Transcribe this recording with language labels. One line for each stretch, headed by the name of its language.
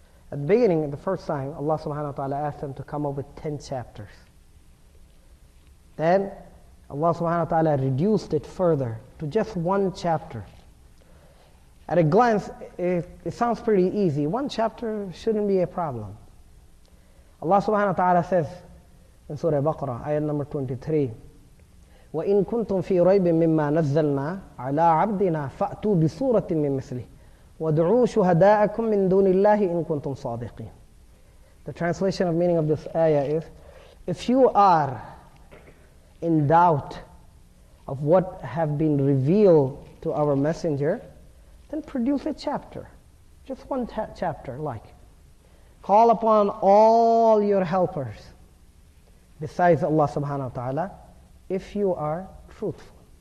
English: At the beginning, the first time, Allah subhanahu wa ta'ala asked them to come up with 10 chapters. Then Allah subhanahu wa ta'ala reduced it further to just one chapter. At a glance, it sounds pretty easy. One chapter shouldn't be a problem. Allah subhanahu wa ta'ala says in Surah Baqarah, ayah number 23,
Arabic: وَإِن كُنْتُمْ فِي رَيْبٍ مِمَّا نَزَّلْنَا عَلَىٰ عَبْدِنَا فَأْتُوا بِسُورَةٍ مِّنْ مِثْلِهِ وَدْعُوا شُهَدَاءَكُمْ مِّن دُونِ اللَّهِ إِن كُنْتُمْ صَادِقِينَ.
English: The translation of meaning of this ayah is, if you are in doubt of what have been revealed to our messenger, then produce a chapter, just one chapter, like, call upon all your helpers besides Allah subhanahu wa ta'ala if you are truthful.